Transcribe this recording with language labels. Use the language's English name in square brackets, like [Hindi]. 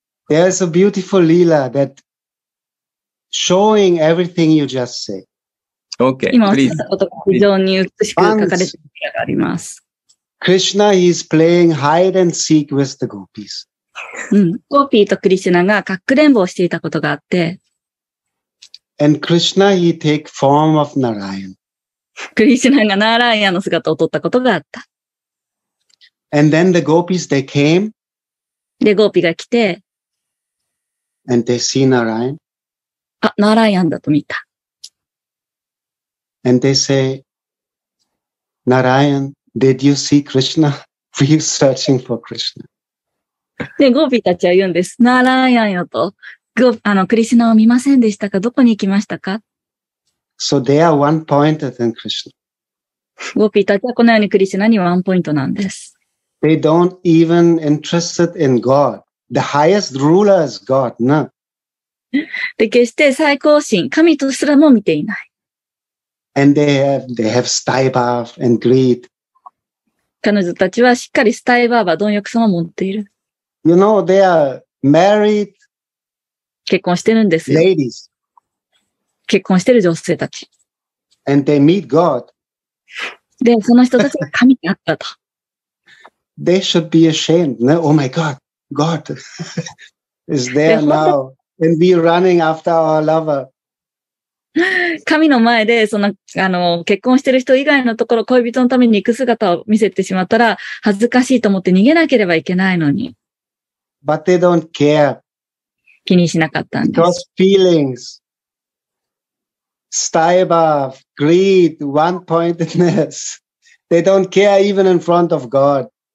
[English] There's a beautiful Leela that showing everything you just say. Okay. [Japanese] 今おっしゃったことが非常に美しく書かれているのがあります。 [English] Krishna is playing hide and seek with the gopis. [Japanese] ゴピーとクリシュナがかくれんぼをしていたことがあって。 [English] And Krishna, he take form of Narayan. [Japanese] クリシュナがナーライアンの姿を撮ったことがあった。 [English] And then the gopis, they came. [Japanese] で、ゴーピが来て。 [English] And they see Narayan. [Japanese] あ、ナーライアンだと見た。 [English] And they say, Narayan, did you see Krishna? Were you searching for Krishna? [Japanese] で、ゴーピたちは言うんです。ナーライアンよと、クリシュナを見ませんでしたか?どこに行きましたか? [English] So they are one pointer than Krishna. [Japanese] ゴピーたちはこのようにクリシュナにワンポイントなんです。 [English] They don't even interested in God. The highest ruler is God, no? [Japanese] で、決して最高神、神とすらも見ていない。 [English] And they have sty bhava and greed. [Japanese] 彼女たちはしっかりスタイバーバー、貪欲さを持っている。 [English] You know, they are married. [Japanese] 結婚してるんですよ。 [English] Ladies. [Japanese] 結婚してる女性たち。 [English] And they meet God. [Japanese] で、その人たちが神に会ったと。 [English] They should be ashamed. No? Oh my God, God is there now and be running after our lover. [Japanese] 神の前でその結婚してる人以外のところ恋人のために行く姿を見せてしまったら恥ずかしいと思って逃げなければいけないのに。 [English] But they don't care. [Japanese] 気にしなかったんです。 [English] Because feelings, stibav, greed, one-pointedness, they don't care even in front of God.